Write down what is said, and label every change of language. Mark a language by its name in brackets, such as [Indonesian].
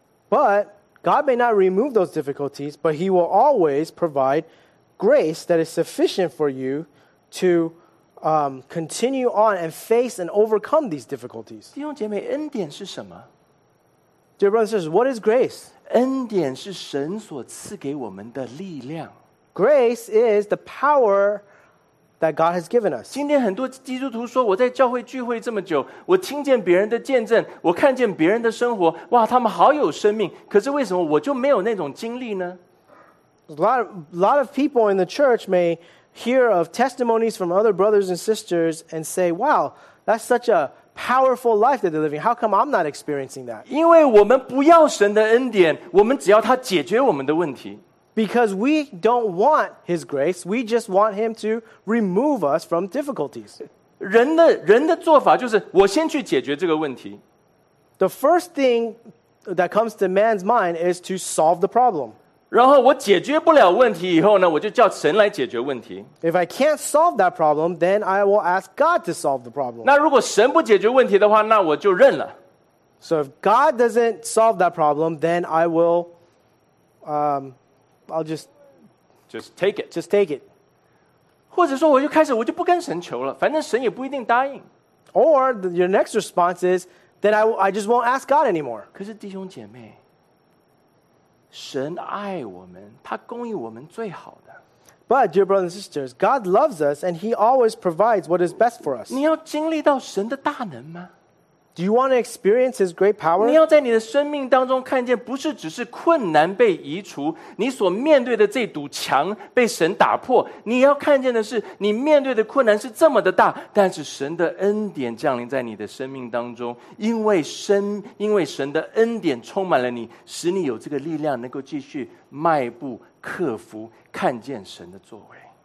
[English] But God may not remove those difficulties, but He will always provide grace that is sufficient for you to continue on and face and overcome these difficulties. [Chinese] 弟兄姐妹，恩典是什么 [English] ？Dear brothers and sisters, what is grace? [Chinese] 恩典是神所赐给我们的力量。 [English] Grace is the power that God has given us. [Chinese] 今天很多基督徒说我在教会聚会这么久我听见别人的见证我看见别人的生活哇他们好有生命可是为什么我就没有那种经历呢 [English] A lot of people in the church may hear of testimonies from other brothers and sisters and say, wow, that's such a powerful life that they're living. How come I'm not experiencing that? [Chinese] 因为我们不要神的恩典我们只要他解决我们的问题。 [English] Because we don't want His grace, we just want Him to remove us from difficulties. [Chinese] 人的做法就是我先去解决这个问题。 [English] The first thing that comes to man's mind is to solve the problem. [Chinese] 然后我解决不了问题以后呢，我就叫神来解决问题。 [English] If I can't solve that problem, then I will ask God to solve the problem. [Chinese] 那如果神不解决问题的话，那我就认了。 [English] So if God doesn't solve that problem, then I will... I'll just take it. [Chinese] 或者说我就开始我就不跟神求了反正神也不一定答应。 [English] Or your next response is, then I just won't ask God anymore. [Chinese] 可是弟兄姐妹神爱我们他供应我们最好的。 [English] But dear brothers and sisters, God loves us and He always provides what is best for us. [Chinese] 你要经历到神的大能吗？ [English] Do you want to experience His great power? [Chinese] 你要在你的生命当中看见不是只是困难被移除你所面对的这堵墙被神打破你要看见的是你面对的困难是这么的大但是神的恩典降临在你的生命当中因为神的恩典充满了你使你有这个力量能够继续迈步克服看见神的作为。